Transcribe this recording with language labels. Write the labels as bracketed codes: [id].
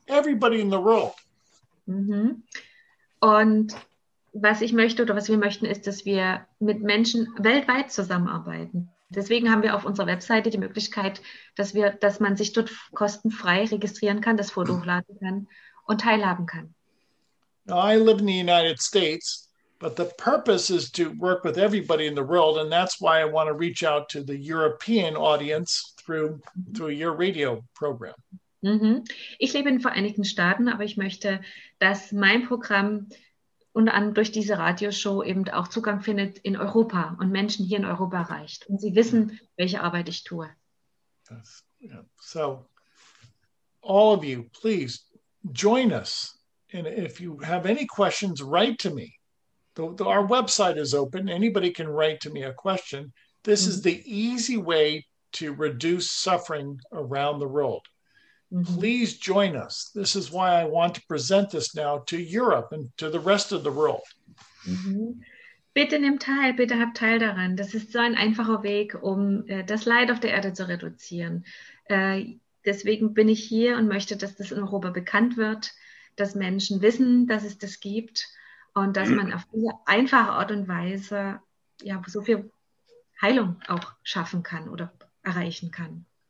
[en] Everybody in the world. Mm-hmm. [de] Und was ich möchte oder was wir möchten, ist, dass wir mit Menschen weltweit zusammenarbeiten. Deswegen haben wir auf unserer Webseite die Möglichkeit, dass man sich dort kostenfrei registrieren kann, das Foto hochladen kann und teilhaben kann. [en] Now, I live in the United States. But the purpose is to work with everybody in the world, and that's why I want to reach out to the European audience through your radio program. Mm-hmm. [de] Ich lebe in den Vereinigten Staaten, aber ich möchte, dass mein Programm unter anderem durch diese Radioshow eben auch Zugang findet in Europa und Menschen hier in Europa erreicht. Und sie wissen, welche Arbeit ich tue. [en] So, all of you, please join us. And if you have any questions, write to me. Our website is open. Anybody can write to me a question. This is the easy way to reduce suffering around the world. Please join us. This is why I want to present this now to Europe and to the rest of the world. [de] Bitte nimm teil. Bitte hab teil daran. Das ist so ein einfacher Weg, um das Leid auf der Erde zu reduzieren. Deswegen bin ich hier und möchte, dass das in Europa bekannt wird. dass Menschen wissen, dass es das gibt und dass man auf diese einfache Art und Weise ja so viel Heilung auch schaffen kann oder erreichen kann.